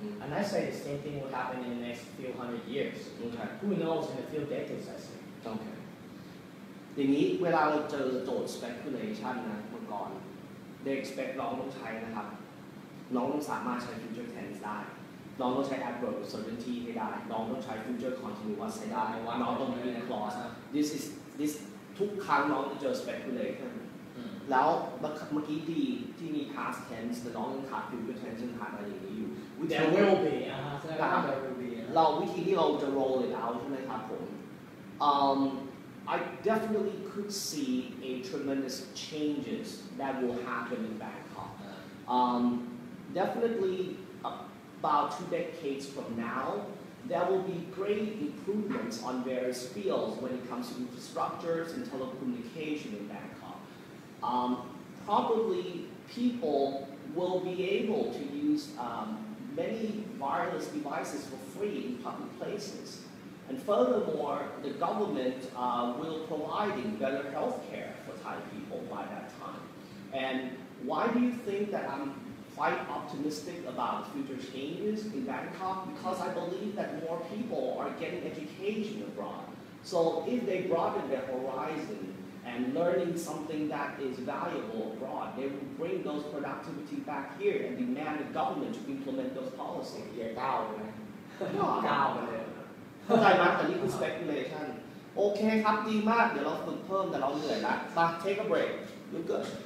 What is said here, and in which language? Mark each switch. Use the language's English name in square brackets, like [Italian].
[English] And I say the same thing will happen in the next few hundred years. Okay. Who knows in a few decades, I say. Okay. [Thai] ทีนี้เวลาเราเจอโจทย์ speculation นะเมื่อก่อน [English] they expect [Thai] น้องต้องใช้นะครับน้องต้องสามารถใช้ future tense ได้น้องต้องใช้ adverb certainty ให้ได้น้องต้องใช้ future continuous ให้ได้ว่า น้องต้องมี clause this ทุกครั้งน้องจะเจอ speculation แล้วเมื่อกี้ดีที่มี past tense แต่น้องยังขาด future tense ขาดอะไรอย่างนี้อยู่ [English] there will be [Thai] เราวิธีที่เราจะ [English] roll it out [Thai] ใช่ไหมครับผม [English] I definitely could see a tremendous changes that will happen in Bangkok. Definitely about 2 decades from now, there will be great improvements on various fields when it comes to infrastructures and telecommunication in Bangkok. Probably people will be able to use many wireless devices for free in public places. And furthermore, the government will provide better health care for Thai people by that time. And why do you think that I'm quite optimistic about future changes in Bangkok? Because I believe that more people are getting education abroad. So if they broaden their horizon and learning something that is valuable abroad, they will bring those productivity back here and demand the government to implement those policies. Yeah, government. [Thai] เข้าใจมั้ยแต่นี่คือสเปกูเลชั่น โอเคครับดีมากเดี๋ยวเราฝึกเพิ่มแต่เราเหนื่อยละมาเทคอะเบรกยุ่งเกิน